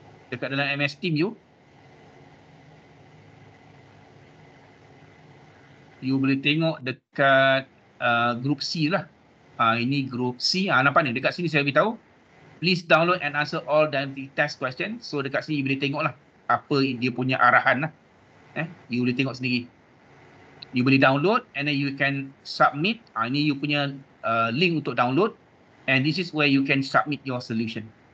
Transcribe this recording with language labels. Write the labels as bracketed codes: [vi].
[ms] Dekat dalam MS Team you boleh tengok dekat group C lah. Ini group C. Nampak ni dekat sini saya beritahu. [en] Please download and answer all diagnostic test question. [ms] So dekat sini you boleh tengok lah apa dia punya arahan lah. You boleh tengok sendiri. [en] You boleh download and then you can submit. [ms] Ini you punya link untuk download. [en] And this is where you can submit your solution.